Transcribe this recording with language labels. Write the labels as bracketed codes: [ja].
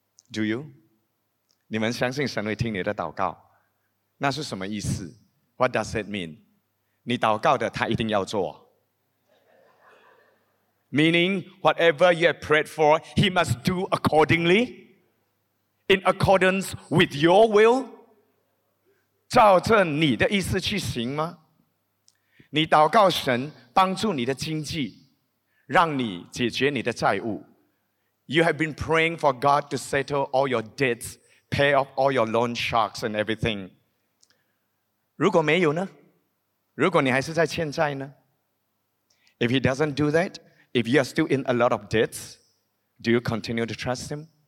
[en] Do you? [zh] 你们相信神会听你的祷告?那是什么意思? [en] What does that mean? [zh] 你祷告的他一定要做。 [en] Meaning, whatever you have prayed for, he must do accordingly, in accordance with your will? [zh] 照着你的意思去行吗? 你祷告神帮助你的经济, 让你解决你的债务。 [en] You have been praying for God to settle all your debts, pay off all your loan sharks and everything. [zh] 如果没有呢?如果你还是在欠债呢? [en] If he doesn't do that, if you are still in a lot of debts, do you continue to trust him?